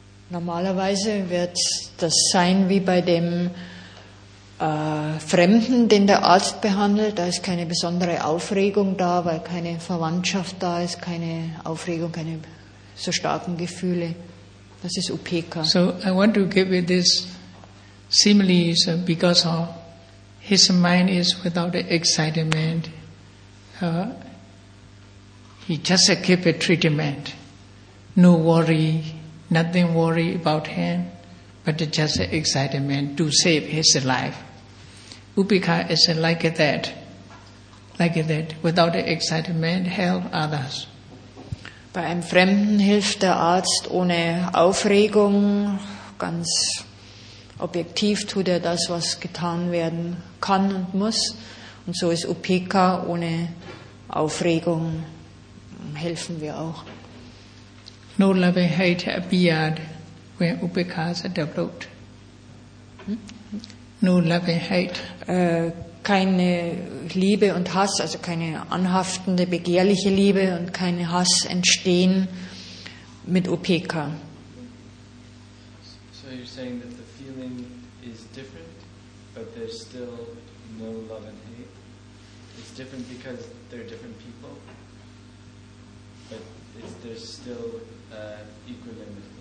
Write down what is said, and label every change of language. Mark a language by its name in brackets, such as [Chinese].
[German] Normalerweise wird das sein wie bei dem Fremden, den der Arzt behandelt. Da ist keine besondere Aufregung da, weil keine Verwandtschaft da ist, keine Aufregung, keine so starken Gefühle. Das ist Upekkha. [English] So I want to give you this simile because of his mind is without excitement. He just keep a treatment. No worry, nothing worry about him, but just excitement to save his life. Upika is like that, without the excitement, help others. [German] Bei einem Fremden hilft der Arzt ohne Aufregung, ganz objektiv tut er das, was getan werden kann und muss. Und so ist Upika ohne Aufregung, helfen wir auch. [English] No love and hate appeared when Upika is developed. No love and hate. [German] Keine Liebe und Hass, also keine anhaftende, begehrliche Liebe und keine Hass entstehen mit Upeka. [English] So you're saying that the feeling is different, but there's still no love and hate. It's different because they're different people, but there's still equanimity.